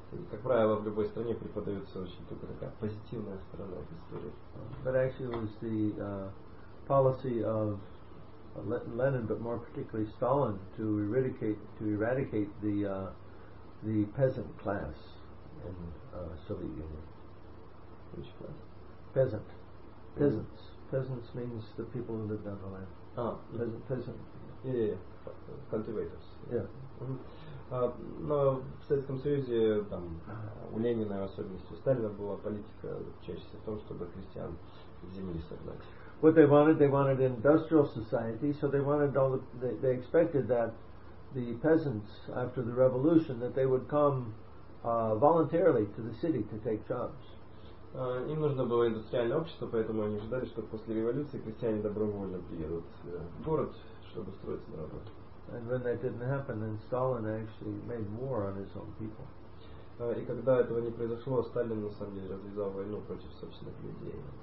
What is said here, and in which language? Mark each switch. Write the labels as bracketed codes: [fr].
[ru] Как правило, в любой стране преподается очень только такая позитивная сторона истории. [en] But actually, it was the policy of Lenin, but more particularly Stalin, to eradicate the the peasant class in Soviet Union. Which class? Peasant. Peasants. Mm-hmm. Peasants means the people who lived on the land. Peasant. Yeah. Cultivators. Yeah. [ru] Но в Советском Союзе там у Ленина, в особенности у Сталина, была политика чаще всего в том, чтобы крестьян из земли согнать. [en] What they wanted an industrial society, so they wanted all they expected that the peasants, after the revolution, that they would come voluntarily to the city to take jobs. [ru] Им нужно было индустриальное общество, поэтому они ожидали, что после революции крестьяне добровольно приедут в город, чтобы устроиться на работу. [en] And when that didn't happen, then Stalin actually made war on his own people. [ru] И когда этого не произошло, Сталин на самом деле развязал войну против собственных людей.